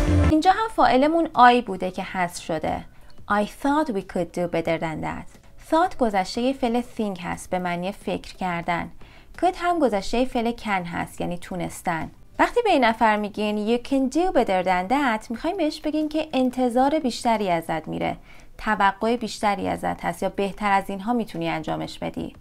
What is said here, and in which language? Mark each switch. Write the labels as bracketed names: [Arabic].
[Persian] اینجا هم فاعلمون I بوده که حذف شده. [English] I thought we could do better than that. [Persian] Thought گذشته فعل think هست، به معنی فکر کردن. Could هم گذشته فعل can هست، یعنی تونستن. وقتی به این نفر میگین [English] you can do better than that [Persian] میخواییم بهش بگین که انتظار بیشتری ازت میره، توقع بیشتری ازت هست، یا بهتر از اینها میتونی انجامش بدی.